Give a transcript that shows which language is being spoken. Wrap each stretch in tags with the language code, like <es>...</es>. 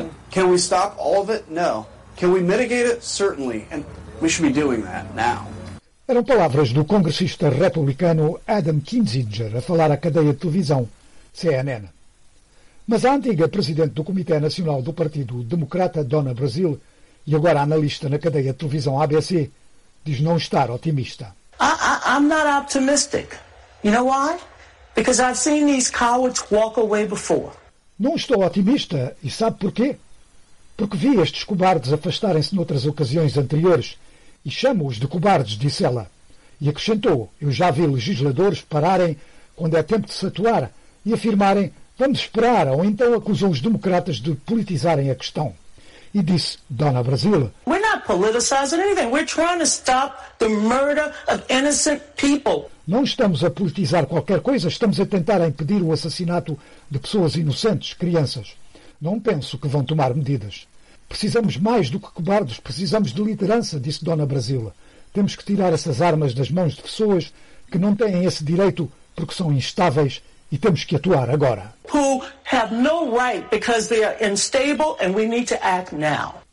<en>Can we stop all of it? No. Can we mitigate it? Certainly. And we should be doing that now.</en> <pt>Eram palavras do congressista republicano Adam Kinzinger a falar à cadeia de televisão CNN. Mas a antiga presidente do Comitê Nacional do Partido Democrata, Donna Brazile, e agora analista na cadeia de televisão ABC, diz não estar otimista.</pt> <en>I'm not optimistic. You know why? Because I've seen these cowards walk away before.</en> <pt>Não estou otimista, e sabe porquê? Porque vi estes cobardes afastarem-se noutras ocasiões anteriores, e chamo-os de cobardes, disse ela. E acrescentou, eu já vi legisladores pararem quando é tempo de se atuar e afirmarem, vamos esperar, ou então acusam os democratas de politizarem a questão. E disse Donna Brazile,</pt> <en>we're not politicizing anything. We're trying to stop the murder of innocent people.</en> <pt>Não estamos a politizar qualquer coisa, estamos a tentar impedir o assassinato de pessoas inocentes, crianças. Não penso que vão tomar medidas. Precisamos mais do que cobardes, precisamos de liderança, disse Donna Brazile. Temos que tirar essas armas das mãos de pessoas que não têm esse direito porque são instáveis e temos que atuar agora.</pt> <en>Who have no right because they are unstable and we need to act now.</en>